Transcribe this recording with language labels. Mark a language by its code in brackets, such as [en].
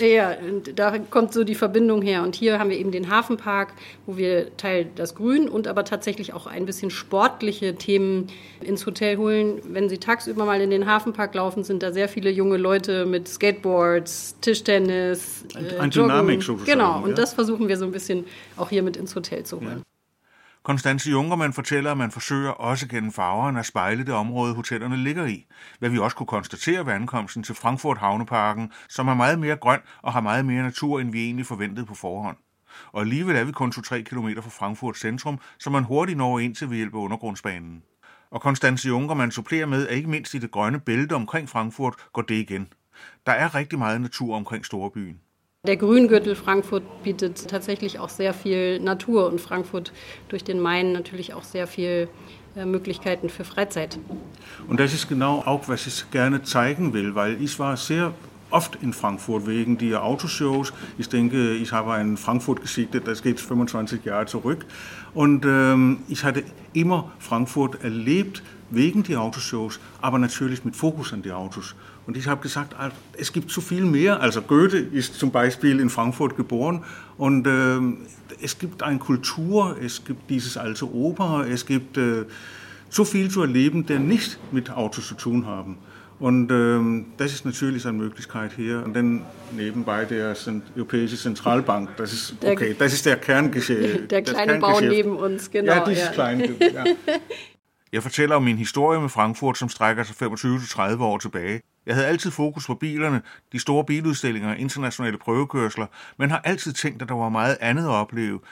[de] Ja, und da kommt so die Verbindung her. Und hier haben wir eben den Hafenpark, wo wir Teil das Grün und aber tatsächlich auch ein bisschen sportliche Themen ins Hotel holen. Wenn Sie tagsüber mal in den Hafenpark laufen, sind da sehr viele junge Leute mit Skateboards, Tischtennis, ein Dynamik sozusagen. Genau, und ja, das versuchen wir so ein bisschen auch hier mit ins Hotel zu holen. [da] Constanze Junkermann fortæller, at man forsøger også gennem farverne at spejle det område, hotellerne ligger i. Hvad vi også kunne konstatere ved ankomsten til Frankfurt Havneparken, som er meget mere grøn og har meget mere natur, end vi egentlig forventede på forhånd. Og alligevel er vi kun 2-3 kilometer fra Frankfurt centrum, som man hurtigt når ind til ved hjælp af undergrundsbanen. Og Constanze Junkermann supplerer med, at ikke mindst i det grønne bælte omkring Frankfurt går det igen. Der er rigtig meget natur omkring storbyen. [de] Der Grüngürtel Frankfurt bietet tatsächlich auch sehr viel Natur und Frankfurt durch den Main natürlich auch sehr viel Möglichkeiten für Freizeit. Und das ist genau auch, was ich gerne zeigen will, weil ich war sehr oft in Frankfurt wegen der Autoshows. Ich denke, ich habe in Frankfurt gesichtet, das geht 25 Jahre zurück. Und ich hatte immer Frankfurt erlebt wegen der Autoshows, aber natürlich mit Fokus an die Autos. Und ich habe gesagt, es gibt zu viel mehr. Also Goethe ist zum Beispiel in Frankfurt geboren. Und es gibt eine Kultur, es gibt dieses alte Oper, es gibt zu viel zu erleben, der nicht mit Autos zu tun haben. Und das ist natürlich eine Möglichkeit hier. Und dann nebenbei der Europäische Zentralbank, das ist okay, das ist der Kerngeschäft. Der kleine Bau neben uns, genau. Ja, dieses kleine. [da] Jeg fortæller om min historie med Frankfurt, som strækker sig 25-30 år tilbage. Jeg havde altid fokus på bilerne, de store biludstillinger og internationale prøvekørsler, men har altid tænkt, at der var meget andet at opleve.